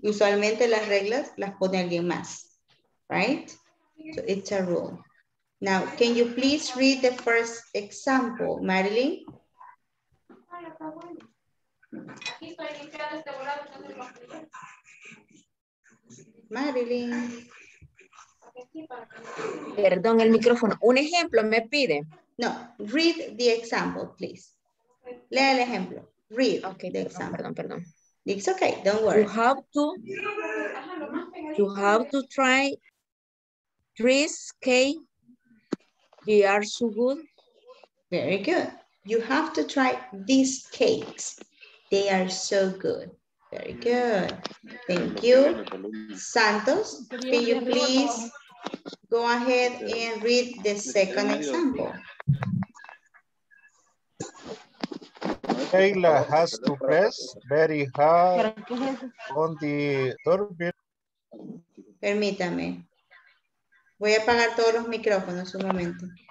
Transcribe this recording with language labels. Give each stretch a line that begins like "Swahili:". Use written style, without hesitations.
Spanish: Usualmente las reglas las pone alguien más,
English: right? So it's a rule. Now, can you please read the first example, Marilyn? Marilyn.
Spanish: Perdón, el micrófono. Un ejemplo me pide.
English: No, read the example, please.
Spanish: Lea el ejemplo.
English: Read the example.
Spanish: Perdón, perdón.
English: It's okay, don't worry. You have to try trees, okay? They are so good. Very good. You have to try these cakes. They are so good. Very good. Thank you. Santos, can you please go ahead and read the second example? Kayla has to press very hard on the doorbell.
Spanish: Permítame. Voy a apagar todos los micrófonos un momento.